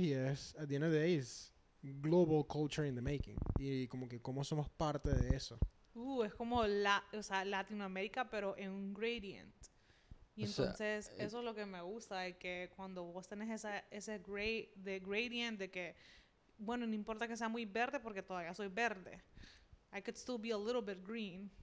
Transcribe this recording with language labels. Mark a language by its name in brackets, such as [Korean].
[Spanish] Y es, [English] at the end of the day, global culture in the making. [Spanish] Y como que, ¿cómo somos parte de eso? Es como o sea, Latinoamérica, pero en un gradient. Y o entonces, sea, eso es lo que me gusta, de que cuando vos tenés ese gradient de que, bueno, no importa que sea muy verde porque todavía soy verde. [English] I could still be a little bit green.